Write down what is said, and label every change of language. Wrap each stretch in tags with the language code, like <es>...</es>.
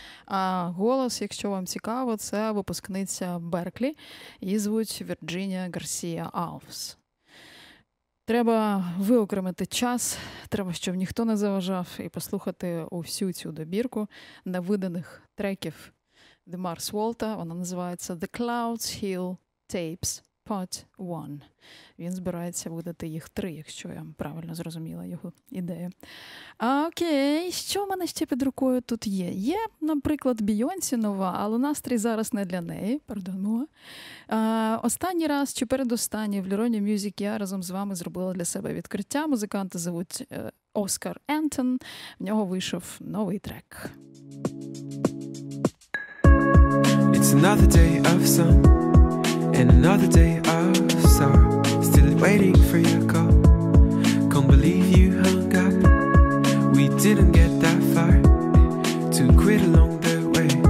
<uk>А голос, якщо вам цікаво, це випускниця Берклі. Її звуть Вірджинія Гарсія Алвс. Треба виокремити час, треба, щоб ніхто не заважав, і послухати усю цю добірку невиданих треків The Mars Volta. Вона називається The Clouds Hill Tapes Part 1. Він збирається видати їх 3, якщо я правильно зрозуміла його ідею. Окей, що в мене ще під рукою тут є? Є, наприклад, Бійонсі нова, але настрій зараз не для неї. Пардон, мова. Останній раз чи передостанній в Лероні Мюзик я разом з вами зробила для себе відкриття. Музиканта звуть Оскар Ентон. В нього вийшов новий трек.</uk> <en>It's another day of sun and another day of sorrow. Still waiting for your call. Can't believe you hung up. We didn't get that far. To quit along the way.</en>